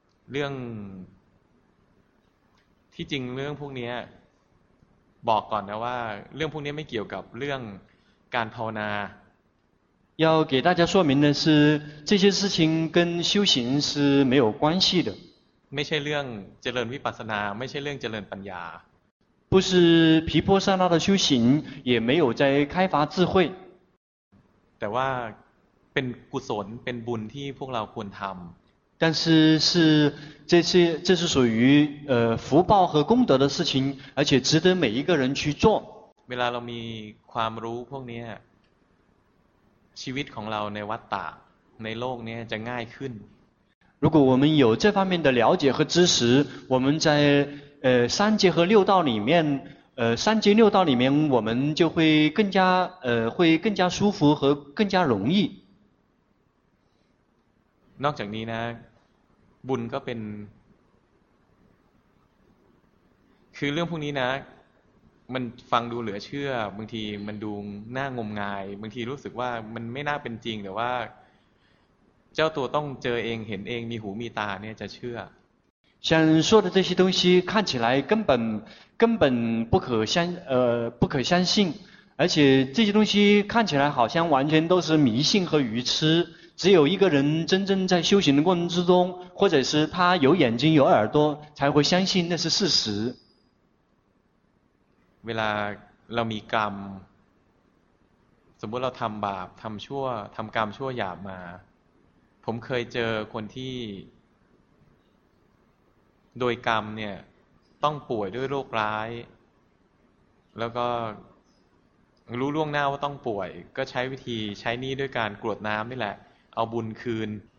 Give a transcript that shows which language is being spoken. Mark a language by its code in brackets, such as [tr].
[th] เรื่องที่จริงเรื่องพวกนี้บอกก่อนนะว่าเรื่องพวกนี้ไม่เกี่ยวกับเรื่องการภาวนา [zh] 要给大家说明的是，这些事情跟修行是没有关系的。 [th] ไม่ใช่เรื่องเจริญวิปัสสนาไม่ใช่เรื่องเจริญปัญญา [zh] 不是毗婆舍那的修行，也没有在开发智慧。 [th] แต่ว่าเป็นกุศลเป็นบุญที่พวกเราควรทำ [zh] 但是是这些这是属于福报和功德的事情，而且值得每一个人去做。 [th] เวลาเรามีความรู้พวกนี้ชีวิตของเราในวัฏฏะในโลกนี้จะง่ายขึ้น [zh] 如果我们有这方面的了解和知识我们在三界和六道里面三界六道里面我们就会更加会更加舒服和更加容易 [th] นอกจากนี้นะบุญก็เป็นคือเรื่องพวกนี้นะมันฟังดูเหลือเชื่อบางทีมันดูหน้างมงายบางทีรู้สึกว่ามันไม่น่าเป็นจริงแต่ว่าเจ้าตัวต้องเจอเองเห็นเองมีหูมีตาเนี่ยจะเชื่อ [zh] 像说的这些东西看起来根本不可相不可相信而且这些东西看起来好像完全都是迷信和愚痴只有一个人真正在修行的过程之中或者是他有眼睛有耳朵才会相信那是事实 [th] เวลาเรามีกรรมสมมติเราทำบาปทำชั่วทำกรรมชั่วหยาบมาผมเคยเจอคนที่โดยกรรมเนี่ยต้องป่วยด้วยโรคร้ายแล้วก็รู้ล่วงหน้าว่าต้องป่วยก็ใช้วิธีใช้นี่ด้วยการกรวดน้ำนี่แหละเอาบุญคืน